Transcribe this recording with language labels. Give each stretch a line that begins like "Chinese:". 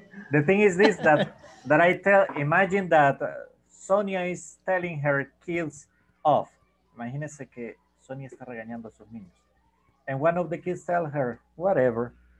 English: The thing is this, that I tell, imagine that Sonia is telling her kids off.
Spanish: Imagínese que Sonia está regañando a sus niños.
English: And one of the kids tell her, whatever.